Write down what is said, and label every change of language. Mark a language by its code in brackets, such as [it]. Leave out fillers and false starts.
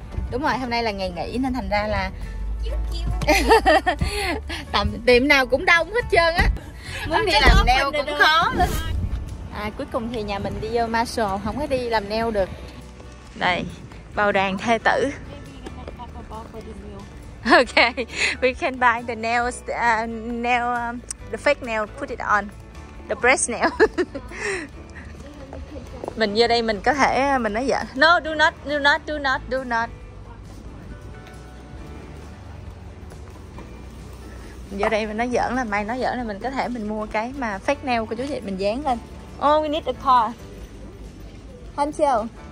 [vi] Đúng rồi, hôm nay là ngày nghỉ nên thành ra là tầm tiệm nào cũng đông hết trơn á. Muốn đi làm nail cũng khó luôn. Cuối cùng thì nhà mình đi vô Marshall, không có đi làm nail được. Đây, bầu đàn thê tử. [en] Ok, we can buy the nails, the fake nail, put it on. The breast nail. [vi] Mình vô đây mình có thể, mình nói vậy. [en] No, do not. [vi] Giờ đây mình nói giỡn là Mai nói giỡn là mình có thể mình mua cái mà fake nail của chú vậy mình dán lên. [en] Oh, we need a car. [vi] Hansel.